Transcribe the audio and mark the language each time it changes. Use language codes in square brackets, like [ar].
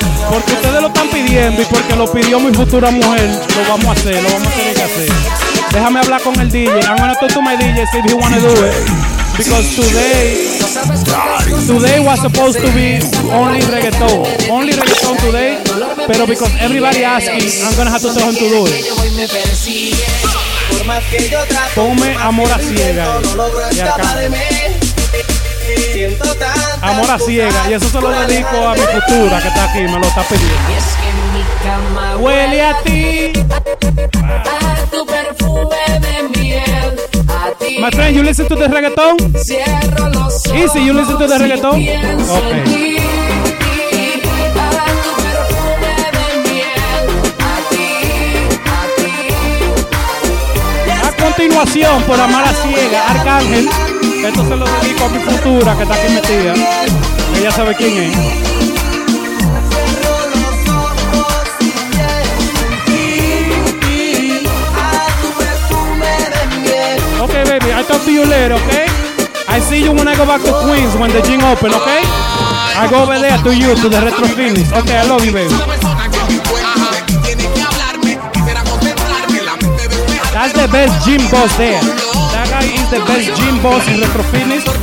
[es] Porque ustedes lo están pidiendo y porque lo pidió mi futura mujer, lo vamos a hacer, lo vamos a tener que hacer. Déjame hablar con el DJ. [en] I'm gonna talk to my DJ, see if he wanna do it. Because today was supposed to be only reggaeton. Only reggaeton today, [es] pero [en] because everybody asking, I'm gonna have to tell him to do it. [es] Ponme amor a ciega. Y acá. Amor a ciega, y eso se lo dedico a mi futura que está aquí, me lo está pidiendo. Y es que en mi cama huele a ti, wow. A tu perfume de miel, a ti. [en] My friend, you listen to the reggaeton? [es] Cierro los ojos. [en] Easy, you listen to the reggaeton? [es] Si okay. En ti, a tu perfume de miel, a ti. A continuación, por amar a ciega, Arcángel. Esto se lo dedico a mi futura que está aquí metida. Ella sabe quién es. Cerró los ojos y sentí a tu perfume de miel. [en] Ok, baby, I'll talk to you later, ok? I see you when I go back to Queens when the gym open, ok? I go over there to you, to the retro finish. Ok, I love you, baby. That's the best gym boss there. Is the best gym boss in retro fitness.